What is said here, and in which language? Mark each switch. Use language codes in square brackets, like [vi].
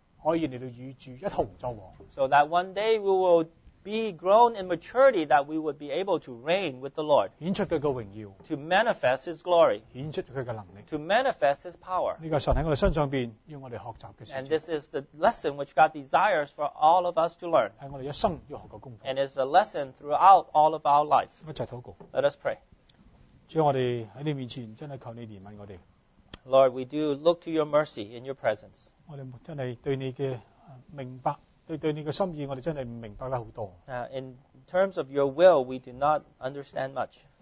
[zh] 我们能够有一天来到成长到地步，可以来到与主一同作王。 [en] So that one day we will be grown in maturity that we would be able to reign with the Lord. [zh] 显出他的荣耀， [en] to manifest his glory. [zh] 显出他的能力， [en] to manifest his power. [zh] 这个神在我们身上要我们学习的事情。 [en] And this is the lesson which God desires for all of us to learn. [zh] 是我们一生要学的功课。 [en] And it's a lesson throughout all of our life. [zh] 一起祷告。 [en] Let us pray. [zh] 主，我们在你面前真的求你怜悯我们。 [en] Lord, we do look to your mercy in your presence. [zh] 我们真的对你的明白， 对你的心意我们真的不明白得很多。 [en] In terms of your will, we do not understand much.